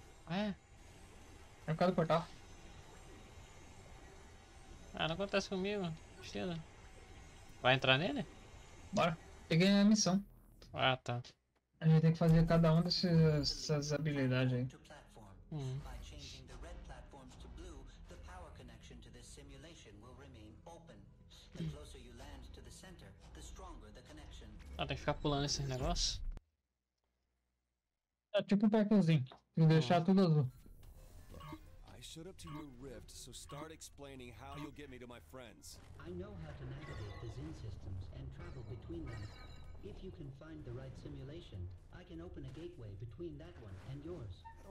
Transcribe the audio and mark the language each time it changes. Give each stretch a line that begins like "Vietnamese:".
Portuguese: Ué? É por causa do portal. Ah, não acontece comigo. Tristeza. Vai entrar nele? Bora. Peguei a missão. Ah, tá. A gente tem que fazer cada um dessas habilidades aí.
English: By changing the red platforms to blue, the power connection to this simulation will remain open. The closer you land to the center, the stronger the connection.
Portuguese: Ah, tem que ficar pulando esses negócios? É tipo um parkourzinho. Tem que deixar tudo azul.
English: I showed up to your rift, so start explaining how you'll get me to my friends. I know how to navigate the Zin systems and travel between them. If you can find the right simulation, I can open a gateway between that one and yours.